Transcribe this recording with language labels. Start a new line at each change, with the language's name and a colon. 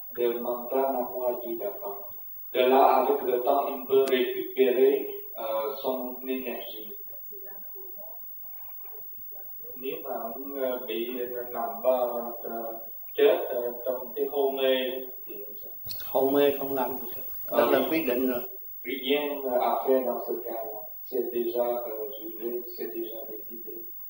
French: le mantra Namo A Di Đà Phật. De là avec le temps, il peut récupérer son énergie.
Vietnamese: Nếu mà ông bị nằm ba chết trong cái hôn mê thì sao? Hôn mê không làm được. Đó là quyết định rồi.
French: Rien à faire dans ce cas-là. C'est déjà jugé, c'est déjà décidé.